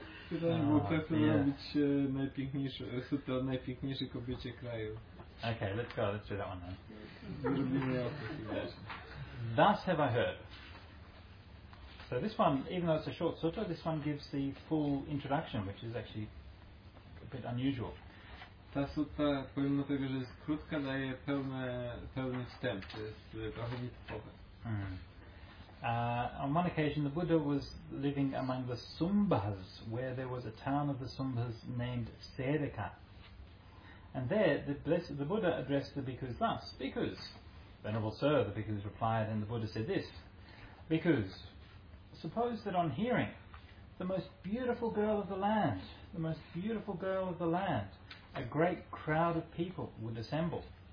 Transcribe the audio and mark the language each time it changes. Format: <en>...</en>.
<pl>Pytanie było, kto chce robić najpiękniejszy, sutę o najpiękniejszej kobiecie kraju.</pl> <en>Okay, let's go, let's do that one then.</en> <pl>Zrobimy o to.</pl> <en>Thus have I heard. So this one, even though it's a short sutta, this one gives the full introduction, which is actually a bit unusual.</en> <pl>Ta sutta, pomimo tego, że jest krótka, daje pełny wstęp, to jest trochę nietypowe.</pl> <en>On one occasion, the Buddha was living among the Sumbhas, where there was a town of the Sumbhas named Sedaka. And there, the Buddha addressed the bhikkhus thus, "Bhikkhus, Venerable Sir," the bhikkhus replied, and the Buddha said this, "Bhikkhus, suppose that on hearing, the most beautiful girl of the land, the most beautiful girl of the land, a great crowd of people would assemble.</en>